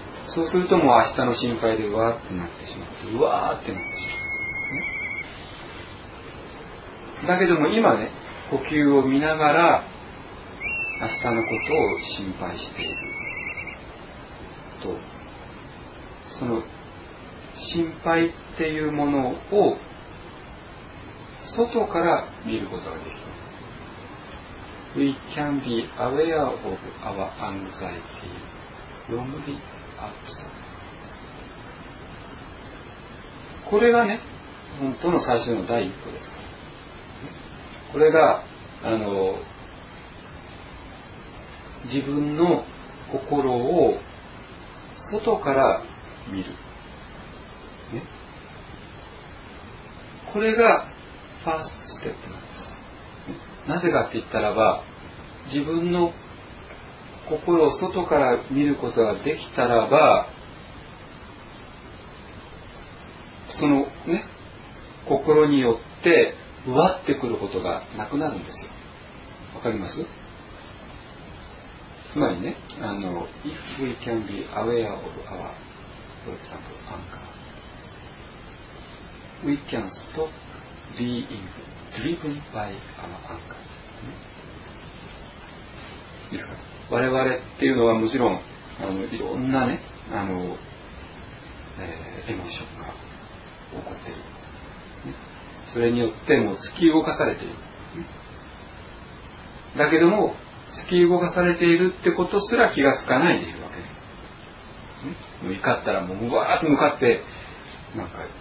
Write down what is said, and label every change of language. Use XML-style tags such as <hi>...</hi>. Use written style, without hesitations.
<ja>そうするともう明日の心配でわーってなってしまって、うわーってなってしまう、ね、だけども今ね、呼吸を見ながら明日のことを心配していると、その心配っていうものを外から見ることができる。</ja> <en>We can be aware of our anxiety from the outside。</en> <ja>これがね、本当の最初の第一歩ですから。これが、あの、自分の心を外から見る、ね、これがファーストステップなんです、ね、なぜかって言ったらば、自分の心を外から見ることができたらば、そのね、心によってうわってくることがなくなるんですよ。わかります？つまりね、あの、</ja> <en>If we can be aware of our, for example, anger, we can stop being driven by our anger.</en> <ja>ですか？我々っていうのはもちろん、あの、いろんなね、あの、エモーションが起こっている。ね、それによってもう突き動かされている。だけども、突き動かされているってことすら気がつかないでいるわけ、ね、怒ったらもうわーっと向かってなんか</ja>